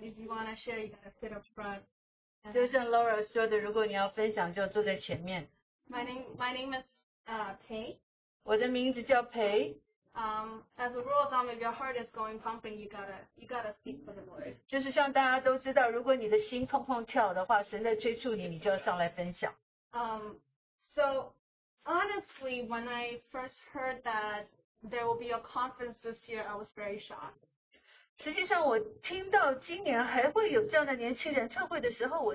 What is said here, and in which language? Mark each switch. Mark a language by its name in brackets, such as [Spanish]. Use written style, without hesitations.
[English] Laura said, if you want to share, you gotta sit up front. Just like Laura said, if you want to share, you My name is Pei. [Chinese] 我的名字叫裴. [English] As a rule of thumb, if your heart is going pumping, you gotta speak for the Lord. [Chinese] 就是像大家都知道, 如果你的心砰砰跳的话, 神在催促你, 你就要上来分享. [English] So honestly, when I first heard that there will be a conference this year, I was very shocked. [Chinese] 实际上我听到今年还会有这样的年轻人特会的时候,